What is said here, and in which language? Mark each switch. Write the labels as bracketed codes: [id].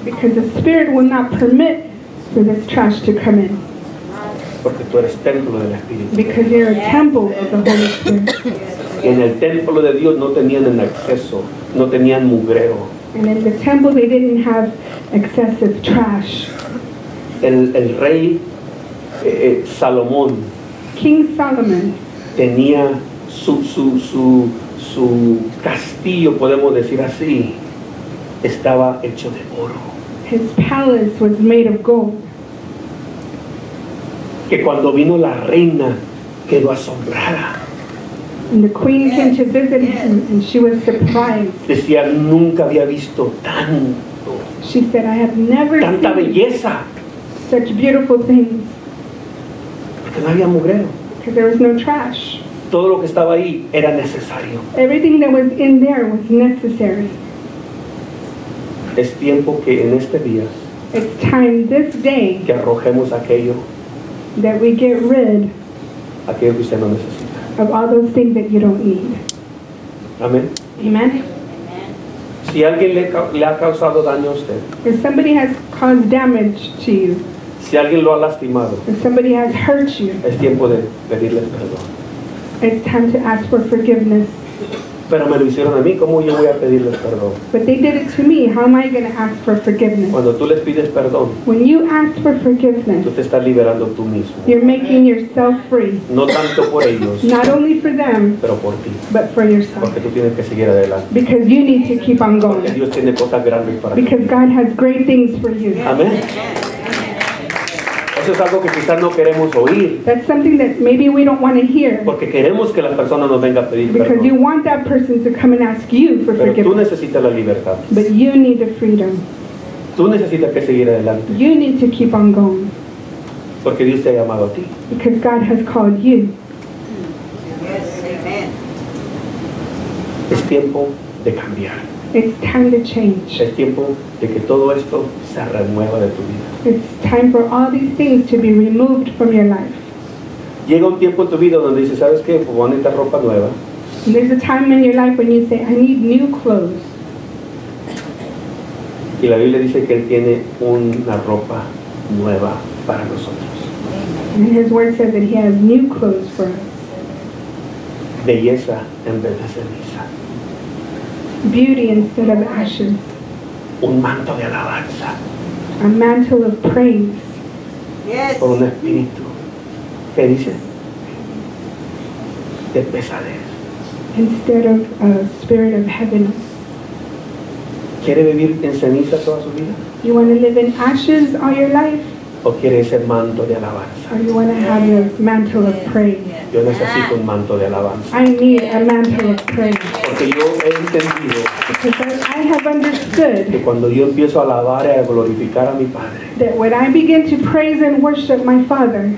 [en] Because the Spirit will not permit for this trash to come in. [es] Porque tú eres templo del Espíritu. [en] Because you're a temple of the Holy Spirit. [es] En el templo de Dios no tenían el acceso, no tenían mugrero. [en] And in the temple they didn't have excessive trash. [es] El rey Salomón. [en] King Solomon. [es] Tenía su castillo, podemos decir así, estaba hecho de oro. [en] His palace was made of gold. [es] Que cuando vino la reina, quedó asombrada. [en] And the queen came to visit him, and she was surprised. [es] Decía, nunca había visto tanto. [en] She said, I have never [es] tanta [en] seen [es] belleza. [en] Such beautiful things. [es] Porque no había mugrero. [en] Because there was no trash. [es] Todo lo que estaba ahí era necesario. [en] Everything that was in there was necessary. [es] Es tiempo que en este día, [en] it's time this day, [es] que arrojemos aquello, [en] that we get rid, [es] aquello que usted no necesita, [en] of all those things that you don't need. [es] Amén. [en] Amen. [es] Si alguien le ha causado daño a usted, [en] if somebody has caused damage to you, [es] si alguien lo ha lastimado, [en] if somebody has hurt you, [es] es tiempo de pedirle perdón. [en] It's time to ask for forgiveness. [es] Pero me lo hicieron a mí, ¿cómo yo voy a pedirles perdón? [en] But they did it to me. How am I going to ask for forgiveness? [es] Cuando tú les pides perdón, [en] when you ask for forgiveness, [es] tú te estás liberando tú mismo. [en] You're making yourself free. [es] No tanto por ellos, [en] not only for them, [es] pero por ti. [en] But for yourself. [es] Porque tú tienes que seguir adelante. [en] Because you need to keep on going. [es] Porque Dios tiene cosas grandes para ti. [en] Because God has great things for you. [es] Amén. Eso es algo que quizás no queremos oír. [en] That's something that maybe we don't want to hear. [es] Porque queremos que la persona nos venga a pedir [en] Because [es] perdón. [en] Because you want that person to come and ask you for [es] Pero [en] forgiveness. [es] Tú necesitas la libertad. [en] But you need the freedom. [es] Tú necesitas que seguir adelante. [en] You need to keep on going. [es] Porque Dios te ha llamado a ti. [en] Because God has called you. Yes, amen. [es] Es tiempo de cambiar. [en] It's time to change. [es] Es tiempo de que todo esto se remueva de tu vida. [en] It's time for all these things to be removed from your life. [es] Llega un tiempo en tu vida donde dices, ¿sabes qué? Voy a necesitar ropa nueva. [en] And there's a time in your life when you say, I need new clothes. [es] Y la Biblia dice que Él tiene una ropa nueva para nosotros. [en] And His word says that He has new clothes for us. [es] Belleza en vez de ceniza. [en] Beauty instead of ashes. [es] Un manto de alabanza. [en] A mantle of praise. Yes. [es] Por un espíritu. ¿Qué dice? De pesadez. [en] Instead of a spirit of heaviness. [es] ¿Quiere vivir en ceniza toda su vida? [en] You want to live in ashes all your life? [es] ¿O quiere ese manto de alabanza? [en] Or you want to have your mantle of praise? [es] Yo necesito un manto de alabanza. [en] I need a mantle of praise. [es] Porque yo he entendido. [en] Because I have understood. [es] Que cuando yo empiezo a alabar y a glorificar a mi Padre. [en] That when I begin to praise and worship my Father.